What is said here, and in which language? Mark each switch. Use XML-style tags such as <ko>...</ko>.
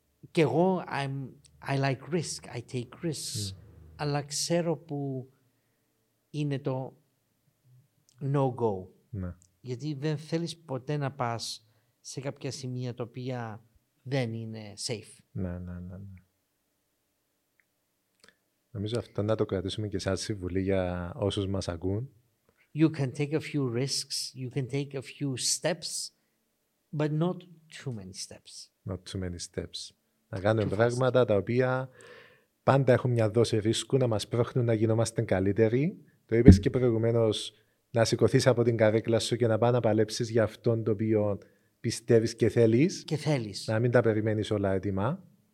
<el>Κι εγώ,</el> <en>I like risk, I take risks. Mm.</en> <el>Αλλά ξέρω που είναι το no-go. Mm. Γιατί δεν θέλεις ποτέ να πας σε κάποια σημεία τα οποία δεν είναι safe. Ναι. Νομίζω αυτό να το κρατήσουμε και σαν συμβουλή για όσους μας ακούν.</el> <en>You can take a few risks, you can take a few steps, but not too many steps. Not too many steps.</en> <el>Να κάνουμε πράγματα τα οποία πάντα έχουν μια δόση ρίσκου να μας πρόχνουν να γινόμαστε καλύτεροι. Το είπες και προηγουμένως, να σηκωθείς από την καρέκλα σου και να πας να παλέψεις για αυτόν τον οποίο πιστεύεις και θέλεις. Και θέλεις. Να μην τα περιμένεις όλα έτοιμα.</el>